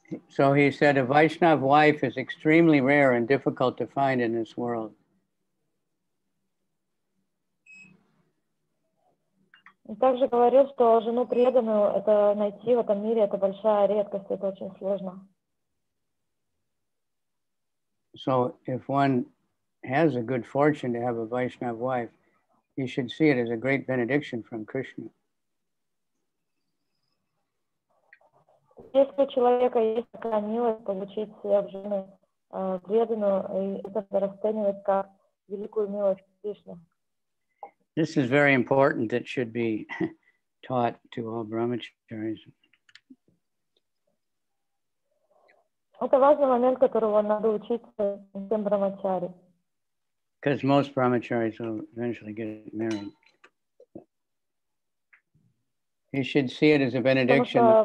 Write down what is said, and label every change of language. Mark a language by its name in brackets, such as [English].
[English] So he said, a Vaishnav wife is extremely rare and difficult to find in this world. [Russian] Также говорил, что жену преданную это найти в этом мире это большая редкость, это очень сложно. [English] So if one has a good fortune to have a Vaishnav wife, he should see it as a great benediction from Krishna. [Russian] Если у человека есть такая милость получить себе в жены преданную, это расценивать как великую милость Кришны. [English] This is very important that should be taught to all brahmacharis. [Russian] Это важный момент, которого надо учить всем брахмачари. [English] Because most brahmacharis will eventually get married. He should see it as a benediction.